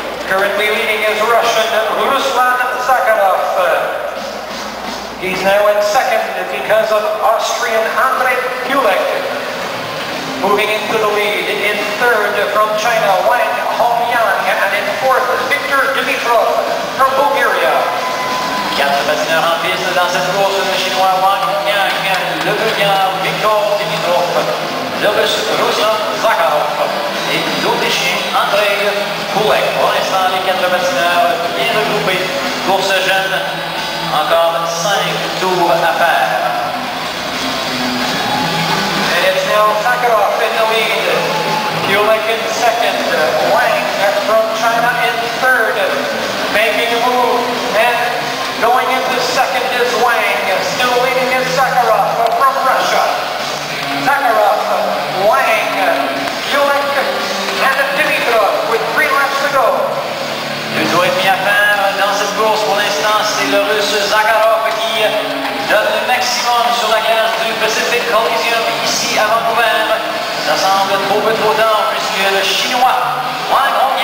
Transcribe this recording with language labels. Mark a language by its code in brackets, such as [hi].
[en] Currently leading is Russian Ruslan Zakharov. He's now in second because of Austrian Andrei Pulec. Moving into the lead in third from China, Wang-Hong-Yang, and in fourth, Victor Dimitrov from Bulgaria. [fr] Quatre-vingt-neuf en piste dans cette course, le Chinois Wang-Yang, le Bulgare Victor Dimitrov, le Russe Ruslan Zakharov et l'Autrichien Andrei Pulec. Pour l'instant, les 89 bien regroupés. Course jeune, encore 5 tours à faire. [en] Zakharov in the lead, Pulec in second, Wang from China in third, making a move, and going into second is Wang, still leading is Zakharov from Russia. Zakharov, Wang, Pulec, and Dimitrov with 3 laps to go. [fr] 2,5 à faire dans cette course pour l'instant, c'est le Russe Zakharov qui donne le maximum sur la glace du Pacific Coliseum ici à Vancouver. Ça semble trop peu trop tard puisque le Chinois, Wang,